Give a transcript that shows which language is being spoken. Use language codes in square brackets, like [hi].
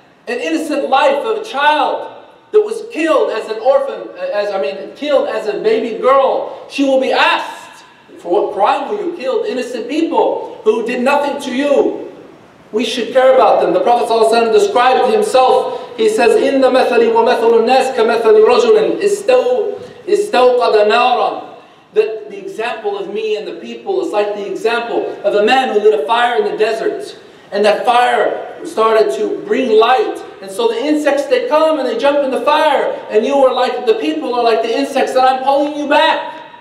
[en] An innocent life of a child that was killed as an orphan, killed as a baby girl, she will be asked, for what crime were you killed? Innocent people who did nothing to you. We should care about them. The Prophet ﷺ described himself. He says, [ar] إِنَّ مَثَلِي وَمَثَلُ النَّاسِ كَمَثَلِ رَجُلٍ إِسْتَوْقَدَ نَارًا. [en] That the example of me and the people is like the example of a man who lit a fire in the desert. And that fire started to bring light. And so the insects, they come and they jump in the fire. And you are like, the people are like the insects that I'm pulling you back.